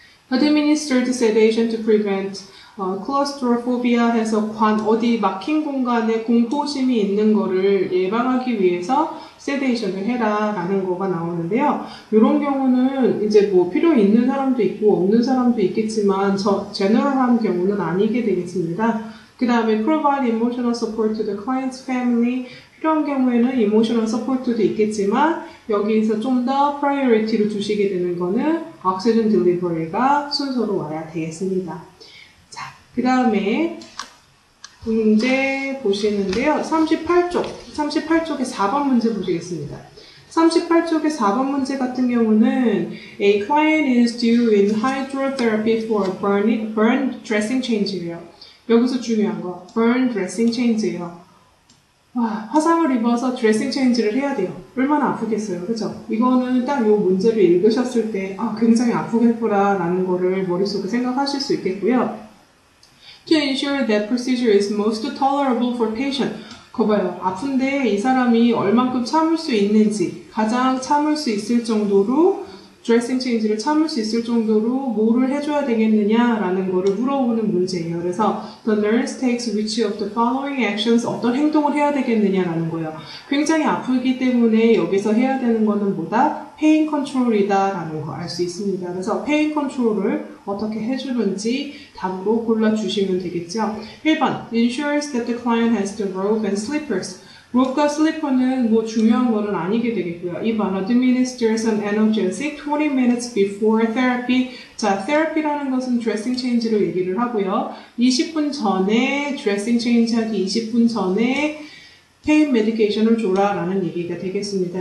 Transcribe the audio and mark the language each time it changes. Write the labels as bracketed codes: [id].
[en] administer the sedation to prevent claustrophobia [ko] 해서 관 어디 막힌 공간에 공포심이 있는 거를 예방하기 위해서 sedation을 해라라는 거가 나오는데요. 이런 경우는 이제 뭐 필요 있는 사람도 있고 없는 사람도 있겠지만 저 general한 경우는 아니게 되겠습니다. 그 다음에 [en] provide emotional support to the client's family. [ko] 필요한 경우에는 emotional support도 있겠지만 여기에서 좀 더 priority를 두시게 되는 거는 oxygen delivery가 순서로 와야 되겠습니다. 자, 그 다음에 문제 보시는데요. 38쪽의 4번 문제 보시겠습니다. 38쪽의 4번 문제 같은 경우는 [en] A client is due in hydrotherapy for burn dressing change예요. [ko] 여기서 중요한 거, burn dressing change예요. 와, 화상을 입어서 드레싱 체인지를 해야 돼요. 얼마나 아프겠어요, 그죠? 이거는 딱 요 문제를 읽으셨을 때 아, 굉장히 아프겠구나라는 거를 머릿속에 생각하실 수 있겠고요. [en] To ensure that procedure is most tolerable for patient. [ko] 거 봐요. 아픈데 이 사람이 얼만큼 참을 수 있는지 가장 참을 수 있을 정도로 드레싱 체인지를 참을 수 있을 정도로 뭐를 해줘야 되겠느냐라는 거를 물어보는 문제예요. [en] 그래서 The nurse takes which of the following actions [ko] 어떤 행동을 해야 되겠느냐라는 거예요. 굉장히 아프기 때문에 여기서 해야 되는 거는 뭐다? Pain control이다라는 거 알 수 있습니다. 그래서 Pain control을 어떻게 해주는지 답으로 골라주시면 되겠죠. [en] 1번 Ensures that the client has the robe and slippers. [ko] 로프과 슬리퍼는 뭐 중요한 거는 아니게 되겠고요. [en] 2번, administer some analgesic 20 minutes before therapy. [ko] 자, therapy라는 것은 dressing change로 얘기를 하고요. 20분 전에, dressing change 하기 20분 전에 pain medication을 줘라 라는 얘기가 되겠습니다.